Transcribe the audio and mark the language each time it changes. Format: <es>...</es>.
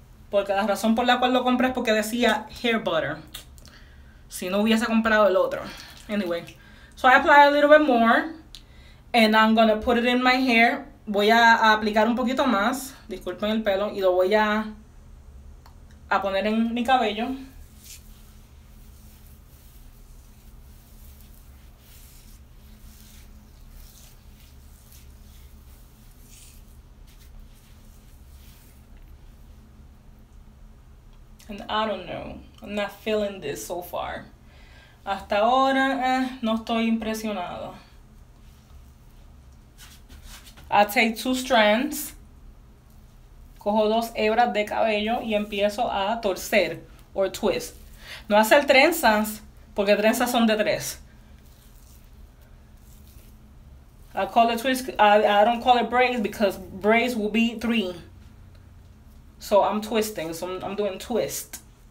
<es>Porque la razón por la cual lo compré es porque decía</es> <en>hair butter.</en> <es>Si no hubiese comprado el otro.</es> <en>Anyway, so I apply a little bit more, and I'm gonna put it in my hair.</en> <es>Voy a aplicar un poquito más, disculpen el pelo, y lo voy a poner en mi cabello.</es> <en>And I don't know, I'm not feeling this so far.</en> <es>Hasta ahora, no estoy impresionado.</es> <en>I take two strands.</en> <es>Cojo dos hebras de cabello y empiezo a torcer,</es> <en>or twist.</en> <es>No hacer trenzas, porque trenzas son de tres.</es> <en>I call it twist, I don't call it braids, because braids will be three. So I'm twisting, so I'm doing twist.</en>